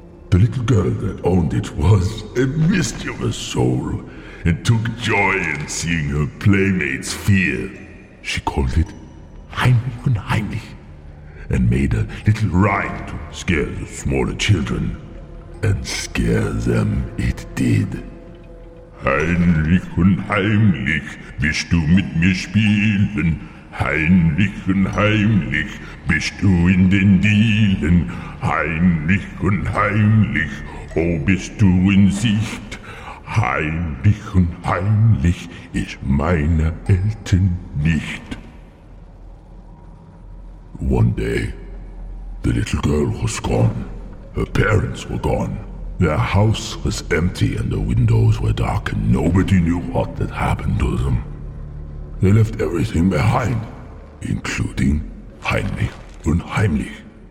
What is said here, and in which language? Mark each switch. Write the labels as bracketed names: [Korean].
[English] The little girl that owned it was a mischievous soul and took joy in seeing her playmates fear. She called it Heimlich und Heimlich and made a little rhyme to scare the smaller children. And scare them it did. [German] Heimlich und Heimlich, willst du mit mir spielen? Heimlich und Heimlich, bist du in den Dielen? Heimlich und Heimlich, oh, bist du in Sicht? Heimlich und Heimlich ist meine Eltern nicht. [English] One day, the little girl was gone. Her parents were gone. Their house was empty and the windows were dark and nobody knew what had happened to them. They left everything behind, including Heimlich und Heimlich.